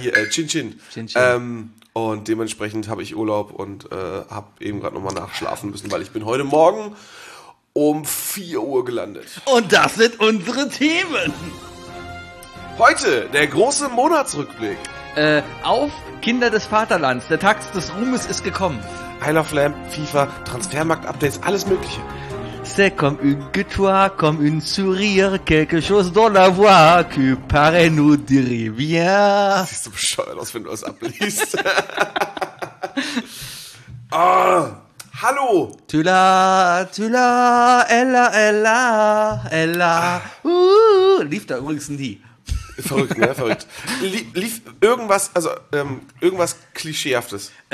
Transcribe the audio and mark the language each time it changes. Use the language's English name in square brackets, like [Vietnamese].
[German] Chin-Chin. Und dementsprechend habe ich Urlaub und habe eben gerade nochmal nachschlafen müssen, weil ich bin heute Morgen um 4 Uhr gelandet. Und das sind unsere Themen. Heute der große Monatsrückblick. Auf Kinder des Vaterlands, der Tag des Ruhmes ist gekommen. Isle of Lamp, FIFA, Transfermarkt-Updates, alles mögliche. [French] C'est comme une guitare, comme une sourire, quelque chose dans la voix, que paraît nous dire bien. [German] Siehst du bescheuert aus, wenn du das abliest. Hallo! Tula, tula, ella, ella, ella, lief da übrigens nie. Verrückt, ne? Verrückt. Lief irgendwas, also irgendwas Klischeehaftes?